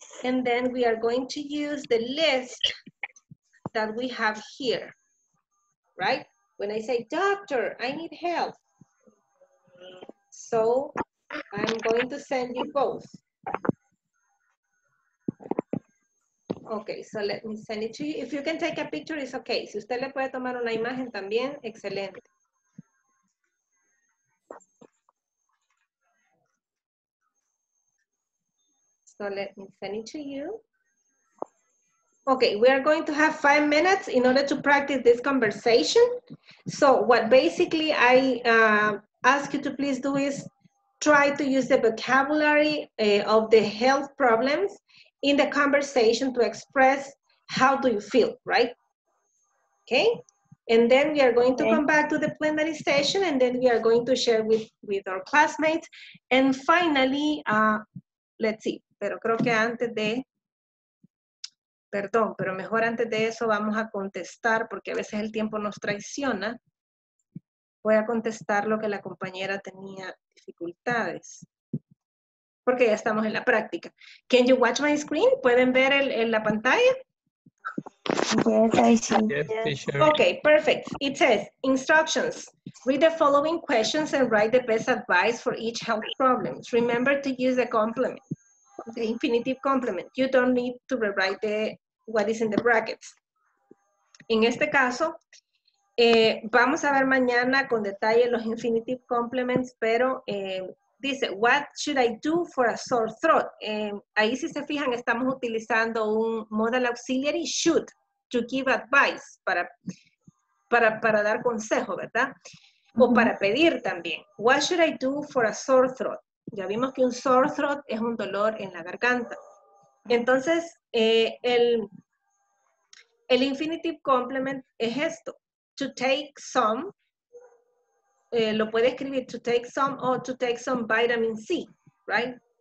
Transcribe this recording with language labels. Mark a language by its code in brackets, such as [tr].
[en] And then we are going to use the list that we have here, right? When I say, doctor, I need help. So I'm going to send you both. Okay, so let me send it to you. If you can take a picture, it's okay. [es] Si usted le puede tomar una imagen también, excelente. [en] So let me send it to you. Okay, we are going to have 5 minutes in order to practice this conversation. So what basically I ask you to please do is try to use the vocabulary of the health problems in the conversation to express how do you feel, right? Okay, and then we are going to come back to the plenary session, and then we are going to share with our classmates. And finally, let's see. [es] Pero creo que antes de, perdón, pero mejor antes de eso vamos a contestar, porque a veces el tiempo nos traiciona. Voy a contestar lo que la compañera tenía dificultades, porque ya estamos en la práctica. [en] Can you watch my screen? [es] ¿Pueden ver en la pantalla? [en] Yes, I see. Yes. Okay, perfect. It says, instructions. Read the following questions and write the best advice for each health problem. Remember to use the complement. The infinitive complement. You don't need to rewrite what is in the brackets. [es] En este caso, vamos a ver mañana con detalle los infinitive complements, pero dice, [en] what should I do for a sore throat? [es] Ahí si se fijan, estamos utilizando un modal auxiliary, should, [en] to give advice, [es] para dar consejo, ¿verdad? Mm-hmm. O para pedir también. [en] What should I do for a sore throat? [es] Ya vimos que un sore throat es un dolor en la garganta. Entonces, el infinitive complement es esto. [en] To take some, [es] lo puede escribir [en] to take some o to take some vitamin C, right?